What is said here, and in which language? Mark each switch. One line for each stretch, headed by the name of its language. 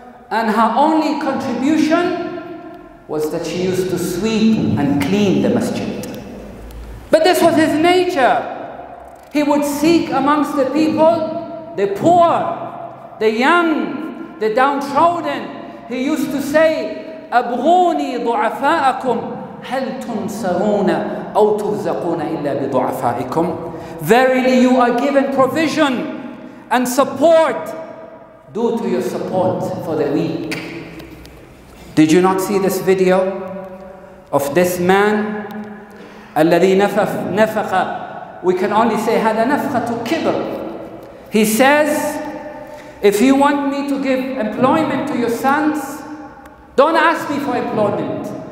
English: And her only contribution was that she used to sweep and clean the masjid. But this was his nature. He would seek amongst the people, the poor, the young, the downtrodden. He used to say,
Arabic: أَبْغُونِي ضُعَفَاءَكُمْ هَلْ تُنْسَرُونَ أَوْ تُرْزَقُونَ إِلَّا بِضُعَفَائِكُمْ.
English: Verily you are given provision and support due to your support for the weak. Did you not see this video of this man?
Arabic: الَّذِي نَفَخَ.
English: We can only say
Arabic: هَذَا نَفْخَةُ كِبْر.
English: He says, if you want me to give employment to your sons, don't ask me for employment.